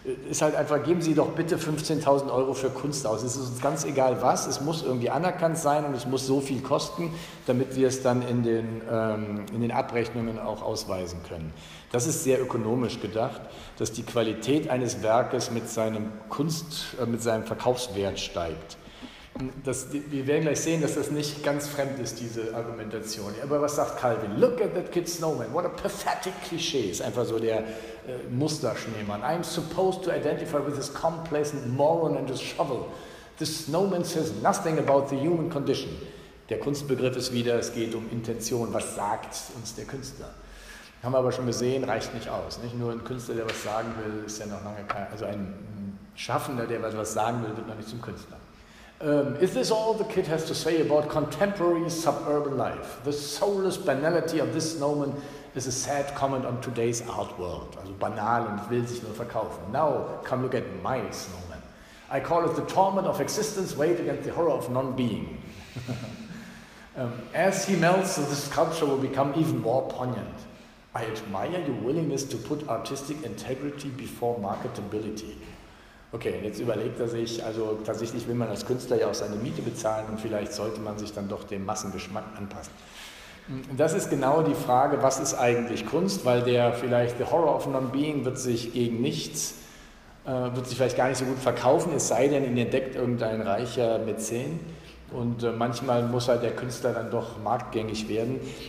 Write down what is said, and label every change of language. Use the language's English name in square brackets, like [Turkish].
[German] Ist halt einfach, geben Sie doch bitte 15.000 Euro für Kunst aus. Es ist uns ganz egal was, es muss irgendwie anerkannt sein und es muss so viel kosten, damit wir es dann in den Abrechnungen auch ausweisen können. Das ist sehr ökonomisch gedacht, dass die Qualität eines Werkes mit seinem Verkaufswert steigt. Wir werden gleich sehen, dass das nicht ganz fremd ist, diese Argumentation. Aber was sagt Calvin? [English] Look at that kid snowman, what a pathetic cliché. [German] Ist einfach so der Musterschneemann. [English] I'm supposed to identify with this complacent moron and this shovel. The snowman says nothing about the human condition. [German] Der Kunstbegriff ist wieder, es geht um Intention. Was sagt uns der Künstler? Haben wir aber schon gesehen, reicht nicht aus. Nicht nur ein Künstler, der was sagen will, ist ja noch lange kein... Also ein Schaffender, der was sagen will, wird noch nicht zum Künstler. [English] Is this all the kid has to say about contemporary suburban life? The soulless banality of this snowman is a sad comment on today's art world. [German] Also banal und will sich nur verkaufen. [English] Now come look at my snowman. I call it the torment of existence weighed against the horror of non-being. As he melts, the sculpture will become even more poignant. I admire your willingness to put artistic integrity before marketability. [German] Okay, und jetzt überlegt er sich, also tatsächlich will man als Künstler ja auch seine Miete bezahlen und vielleicht sollte man sich dann doch dem Massengeschmack anpassen. Das ist genau die Frage, was ist eigentlich Kunst, weil der vielleicht, [English] the horror of non-being [German] wird sich gegen nichts, wird sich vielleicht gar nicht so gut verkaufen, es sei denn, ihn entdeckt irgendein reicher Mäzen und manchmal muss halt der Künstler dann doch marktgängig werden.